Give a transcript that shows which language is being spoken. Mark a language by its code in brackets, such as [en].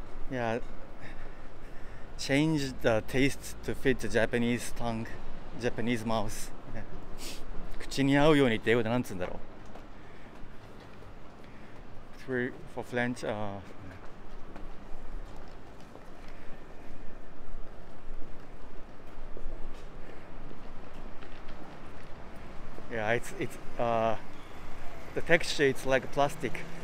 [en] Yeah, change the taste to fit the Japanese tongue, Japanese mouth. [ja] 口に合うようにって英語でなんつうんだろう。 [en] For French, yeah, it's the texture, it's like plastic.